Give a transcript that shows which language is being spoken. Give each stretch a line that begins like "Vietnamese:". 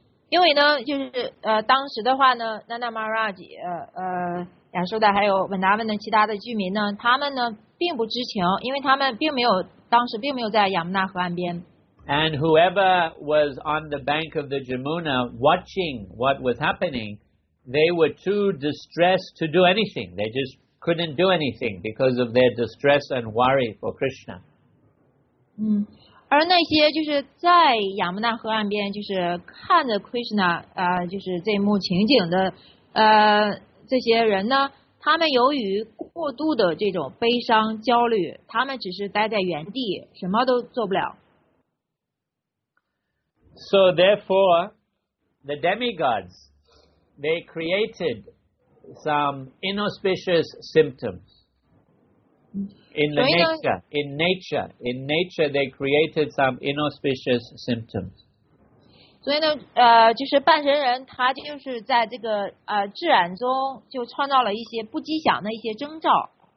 Chinese: 因为呢，就是当时的话呢 ，Nanda Maharaj 亚苏达还有 Vrindavan 的其他的居民呢，他们呢并不知情，因为他们当时并没有在亚穆纳河岸边。
English: And whoever was on the bank of the Jamuna watching what was happening, they were too distressed to do anything. They just couldn't do anything because of their distress and worry for Krishna.
Chinese: 而那些就是在亚摩那河岸边，就是看着 Krishna 就是这幕情景的这些人呢，他们由于过度的这种悲伤焦虑，他们只是待在原地，什么都做不了。
English: So therefore, the demigods, they created some inauspicious symptoms in nature, they created some inauspicious symptoms.
Chinese: 所以呢，就是半神人，他就是在这个自然中就创造了一些不吉祥的一些征兆。